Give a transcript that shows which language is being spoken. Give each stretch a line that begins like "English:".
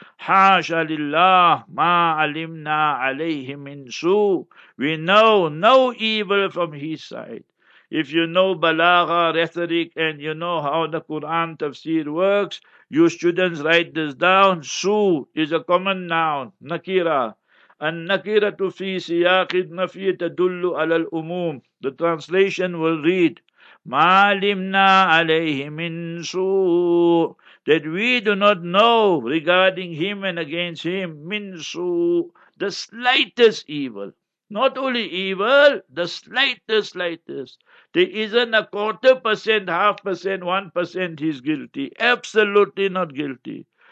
Arabic: Hasha lillah ma alimna alayhi min su.
English: We know no evil from his side. If you know balagha, rhetoric, and you know how the Quran tafsir works, you students write this down. Su is a common noun, nakira.
Arabic: النكرة في سياق النفي تدل على الأموم.
English: The translation will read,
Arabic: ما علمنا عليه من سوء.
English: That we do not know regarding him and against him,
Arabic: من سوء,
English: the slightest evil. Not only evil, the slightest. There isn't a 0.25%, 0.5%, 1% he's guilty. Absolutely not guilty.